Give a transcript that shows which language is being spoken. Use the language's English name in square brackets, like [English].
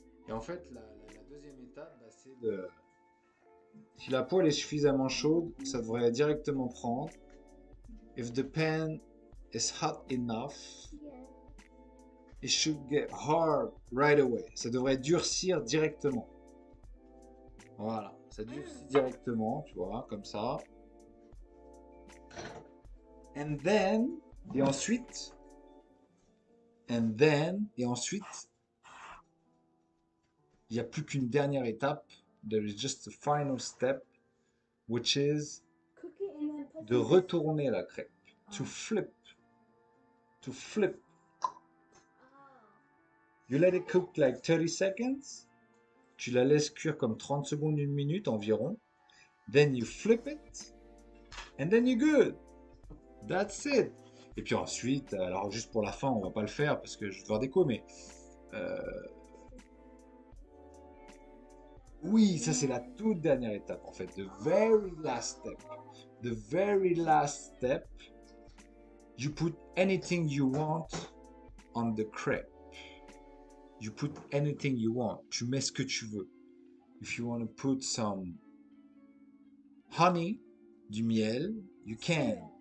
[French] en fait, la deuxième étape, bah, c'est de... Si la poêle est suffisamment chaude, ça devrait directement prendre. [English] If the pan is hot enough, it should get hard right away. [French] Ça devrait durcir directement. Voilà, ça durcit directement, tu vois, comme ça. Et ensuite, il n'y a plus qu'une dernière étape. [English] There is just a final step, which is [French] de retourner la crêpe. [English] To flip. You let it cook like 30 seconds. [French] Tu la laisses cuire comme 30 secondes, une minute environ. [English] Then you flip it. And then you're good. That's it. [French] Et puis ensuite, alors juste pour la fin, on va pas le faire parce que je vais faire déco, mais... Oui, ça c'est la toute dernière étape en fait. [English] The very last step. You put anything you want on the crepe. You put anything you want. [French] Tu mets ce que tu veux. [English] If you want to put some honey, [French] du miel, [English] you can.